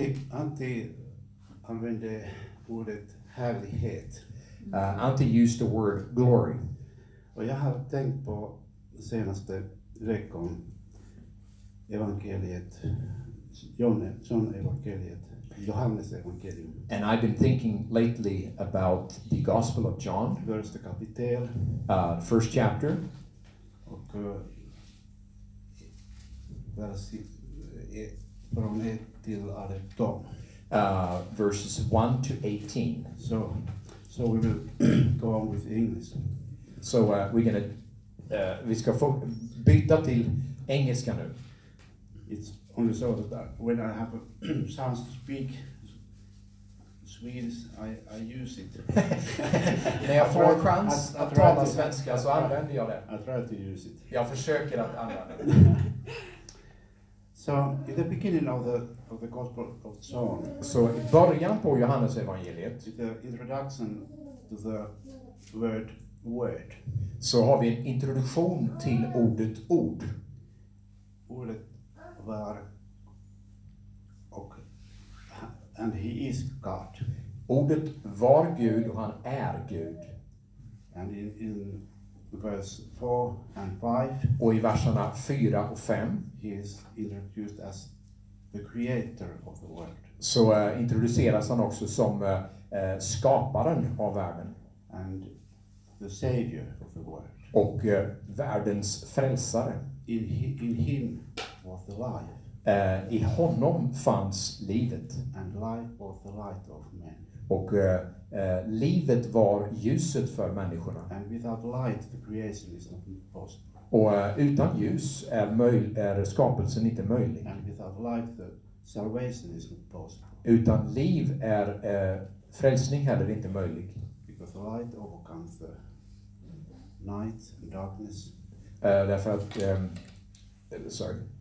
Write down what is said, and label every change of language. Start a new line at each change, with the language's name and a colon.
Swedish: Ante använde ordet härlighet.
English: Ante used the word glory.
Swedish: Och jag har tänkt på senaste veckan evangeliet John evangeliet. Johannes evangelium.
English: And I've been thinking lately about the Gospel of John.
Swedish: Första kapitel.
English: First chapter.
Swedish: Och vers 1-18.
English: Verses 1-18. So we will go on with English. So we're gonna
Swedish: vi ska få byta till engelska nu.
English: It's only so that when I have a chance to speak Swedish, I use it.
Swedish: När jag får chans att prata svenska så använder jag det.
English: I try to use it.
Swedish: Jag försöker att använda det.
English: So, in the beginning of the Gospel of John.
Swedish: So, i början på Johannes evangeliet.
English: The introduction to the word.
Swedish: Så har vi en introduktion till ordet ord. Ordet var
English: and he is God.
Swedish: Ordet var Gud och han är Gud.
English: And in verse 4 and 5.
Swedish: Och i verserna 4 och 5.
English: He is introduced as the creator of the world.
Swedish: Så introduceras han också som skaparen av världen.
English: And the savior of the world.
Swedish: Och världens frälsare.
English: In him was the life.
Swedish: I honom fanns livet.
English: And life was the light of men.
Swedish: Och livet var ljuset för människorna.
English: And without light the creation is not possible.
Swedish: Och utan ljus är skapelsen inte möjlig.
English: And without life the salvation is not possible.
Swedish: Utan liv är frälsning heller inte möjlig.
English: Because light overcomes the night and darkness.
Swedish: Därför att sorry.